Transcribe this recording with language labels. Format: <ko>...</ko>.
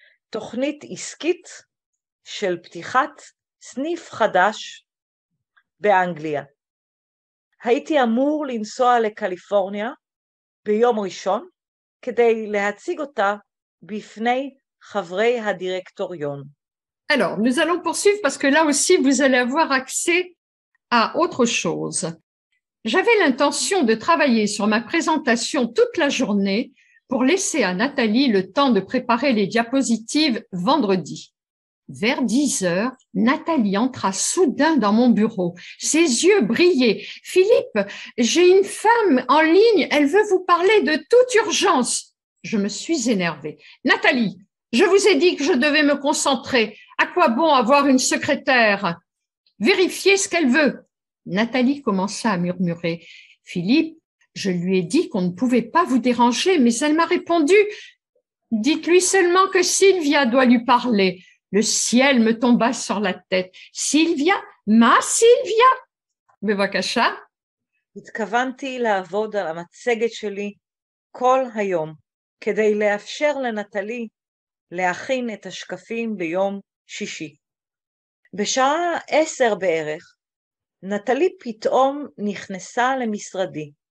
<he>תוכנית עסקית של פתיחת סניף חדש באנגליה. הייתי אמור לנסוע לקליפורניה ביום ראשון כדי להציג אותה בפני חברי הדירקטוריון.</he> <fr>Alors, nous allons poursuivre parce que là aussi vous allez avoir accès à autre chose. J'avais l'intention de travailler sur ma présentation toute la journée pour laisser à Nathalie le temps de préparer les diapositives vendredi. Vers 10 heures, Nathalie entra soudain dans mon bureau. Ses yeux brillaient. « Philippe, j'ai une femme en ligne, elle veut vous parler de toute urgence. » Je me suis énervée. « Nathalie, Je vous ai dit que je devais me concentrer. À quoi bon avoir une secrétaire ? Vérifiez ce qu'elle veut. » Nathalie commença à murmurer. « Philippe, je lui ai dit qu'on ne pouvait pas vous déranger, mais elle m'a répondu. Dites-lui seulement que Sylvia doit lui parler. » Le ciel me tomba sur la tête. « Sylvia ? Ma Sylvia ?» Bevakasha.</fr> <he>התכוונתי לעבוד על המצגת שלי כל היום כדי לאפשר לנטלי להכין את השקפים ביום שישי. בשעה 10 בערך, נטלי פתאום נכנסה למשרדי.</he>